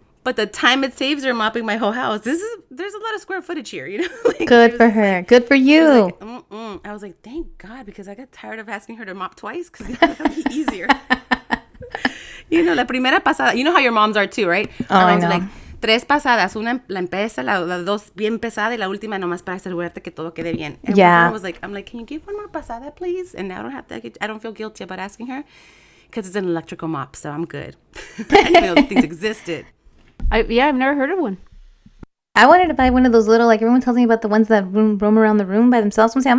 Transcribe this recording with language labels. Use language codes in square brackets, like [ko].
[en] But the time it saves her mopping my whole house. There's a lot of square footage here, you know? Like, good for her. Like, good for you. I was like, thank God, because I got tired of asking her to mop twice because that would be easier. You know, [es] la primera pasada. [en] You know how your moms are too, right? Oh, our moms are like, [es] tres pasadas. Una la empieza, la dos bien pesada, y la última nomás para asegurarte que todo quede bien. [en] And yeah. I was like, I'm like, can you give one more pasada, please? And now I don't feel guilty about asking her because it's an electrical mop, so I'm good. I know things existed. I've never heard of one. I wanted to buy one of those little, like, everyone tells me about the ones that roam around the room by themselves.